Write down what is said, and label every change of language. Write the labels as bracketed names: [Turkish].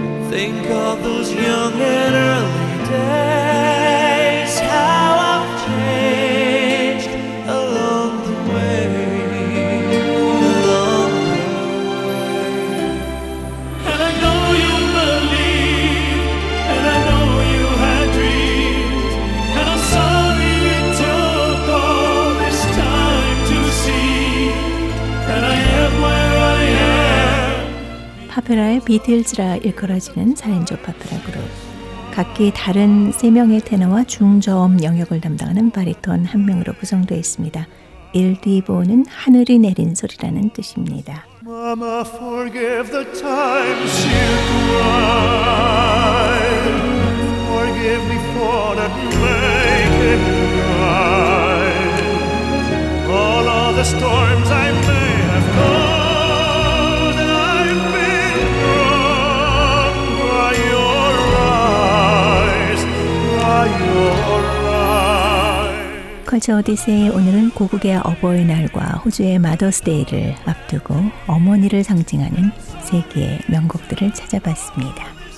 [English] Think of those young and early days, how I've changed along the way, along the way. And I know you believed, and I know you had dreams, and I'm sorry it took all this time to see that I am where I am. [Korean] 파페라의 비틀즈라 일컬어지는 4인조 파페라 그룹. 각기 다른 3명의 테너와 중저음 영역을 담당하는 바리톤 1명으로 구성되어 있습니다. 일디보는 하늘이 내린 소리라는 뜻입니다. [English] Mama, forgive the times you cry. Forgive me for not making you cry. All of the storms I may have caused, I've been wrong by your eyes, by your eyes. [Korean] 컬처 오디세이 오늘은 고국의 어버이날과 호주의 마더스데이를 앞두고 어머니를 상징하는 세 개의 명곡들을 찾아봤습니다.